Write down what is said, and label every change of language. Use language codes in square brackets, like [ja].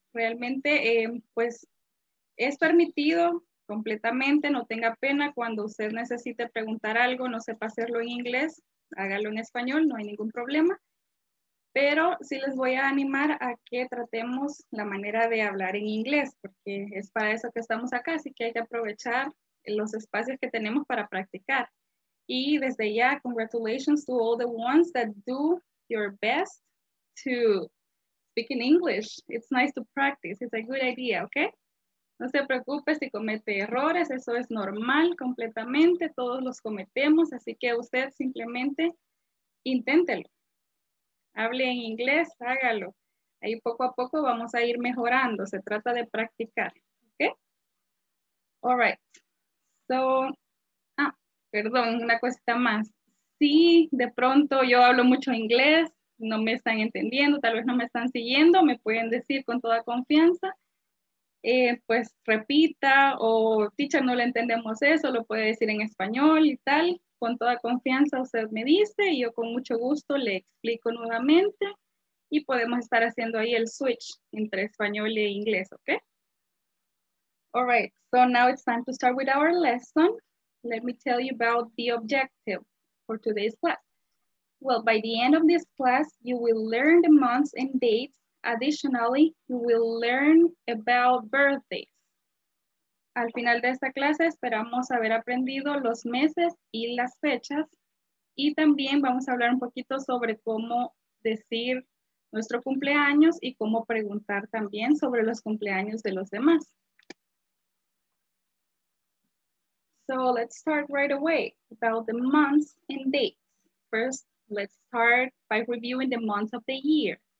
[es] Realmente, pues, es permitido completamente, no tenga pena cuando usted necesite preguntar algo, no sepa hacerlo en inglés. Hágalo en español, no hay ningún problema, pero sí les voy a animar a que tratemos la manera de hablar en inglés, porque es para eso que estamos acá, así que hay que aprovechar los espacios que tenemos para practicar. Y desde ya, [en] congratulations to all the ones that do your best to speak in English. It's nice to practice, it's a good idea, ¿ok? [es] No se preocupe si comete errores, eso es normal completamente, todos los cometemos, así que usted simplemente inténtelo. Hable en inglés, hágalo. Ahí poco a poco vamos a ir mejorando, se trata de practicar, ¿ok? [en] All right. [es] So, perdón, una cosita más. Sí, de pronto yo hablo mucho inglés, no me están entendiendo, tal vez no me están siguiendo, me pueden decir con toda confianza. Pues repita, o teacher, no le entendemos eso, lo puede decir en español y tal, con toda confianza usted me dice, y yo con mucho gusto le explico nuevamente, y podemos estar haciendo ahí el switch entre español e inglés, ¿ok? [en] All right, so now it's time to start with our lesson. Let me tell you about the objective for today's class. Well, by the end of this class, you will learn the months and dates. Additionally, you will learn about birthdays. [es] Al final de esta clase esperamos haber aprendido los meses y las fechas. Y también vamos a hablar un poquito sobre cómo decir nuestro cumpleaños y cómo preguntar también sobre los cumpleaños de los demás. [en] So let's start right away about the months and dates. First, let's start by reviewing the months of the year.